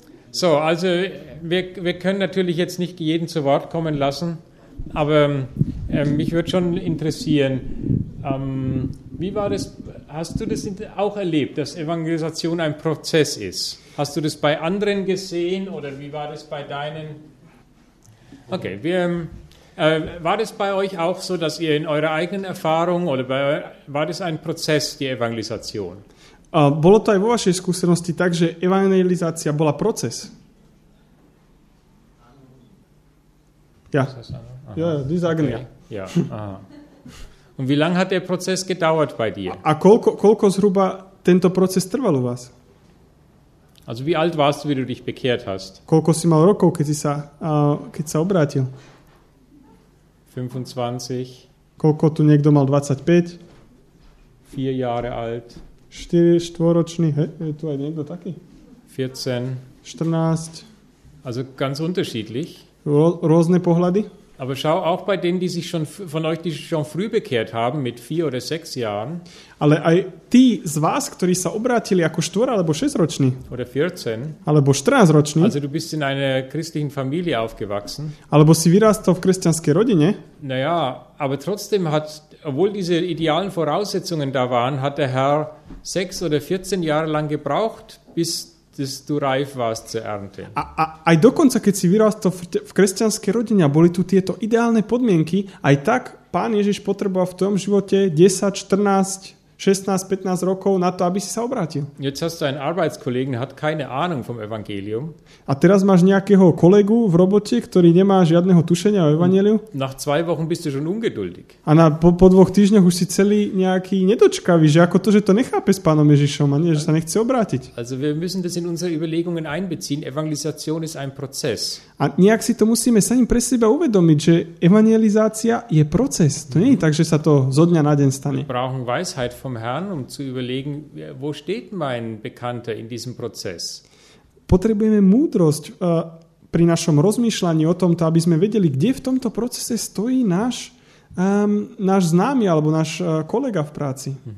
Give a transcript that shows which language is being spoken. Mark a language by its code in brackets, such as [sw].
[de] So, also wir können natürlich jetzt nicht jeden zu Wort kommen lassen, aber mich würde schon interessieren, wie war das, hast du das auch erlebt, dass Evangelisation ein Prozess ist? Hast du das bei anderen gesehen oder wie war das bei deinen? Okay, war das bei euch auch so, dass ihr in eurer eigenen Erfahrung oder war das ein Prozess, die Evangelisation? [sk] Bolo to aj vo vašej skúsenosti tak, že evangelizácia bola proces? [de] Ja. Ja, die sagen ja. Ja, aha. Und wie lange hat der Prozess gedauert bei dir? [sk] A koľko zhruba tento proces trval u vás? [de] Also wie alt warst du, wie du dich bekehrt hast? [sk] Koľko si mal rokov, keď si sa, keď sa obrátil? 25. Koľko tu niekto mal 25? [de] 4 Jahre alt. [sk] 4-ročný, je tu aj niekto taký? 14. 14. [de] Also ganz unterschiedlich. [sk] Rôzne pohľady. [de] Aber schau auch bei denen, die sich schon von euch, die schon früh bekehrt haben mit 4 oder 6 Jahren. [sk] Ale aj tí z vás, ktorí sa obrátili ako 4 alebo 6 roční. [de] Oder 14. [sk] Alebo 14 roční. [de] Also du bist in einer christlichen Familie aufgewachsen. [sk] Alebo si vyrástol v kresťanskej rodine. [de] Naja, aber trotzdem hat, obwohl diese idealen Voraussetzungen da waren, hat der Herr 6 oder 14 Jahre lang gebraucht, bis dass du reif warst zur Ernte. [sk] Aj dokonca, keď si vyrástol v kresťanskej rodine a boli tu tieto ideálne podmienky, aj tak Pán Ježiš potreboval v tom živote 10, 14, 16, 15 rokov na to, aby si sa obrátil. [de] Jetzt hast du einen Arbeitskollegen, hat keine Ahnung vom Evangelium. [sk] A teraz máš nejakého kolegu v robote, ktorý nemá žiadneho tušenia o Evangeliu. [de] Nach zwei Wochen bist du schon ungeduldig. [sk] A po dvoch týždňoch už si celý nejaký nedočkavý, že ako to, že to nechápe s Pánom Ježišom, a nie, že sa nechce obrátiť. [de] Also wir müssen das in unsere Überlegungen einbeziehen. Evangelisation ist ein Prozess. [sk] A nejak si to musíme sami pre seba uvedomiť, že evangelizácia je proces. To nie je tak, že sa to zo dňa na deň stane. [de] Wir brauchen Weisheit vom Herrn, um zu überlegen, wo steht mein Bekannter in diesem Prozess. [sk] Potrebujeme múdrosť pri našom rozmýšľaní o tomto, aby sme vedeli, kde v tomto procese stojí náš známy alebo náš kolega v práci.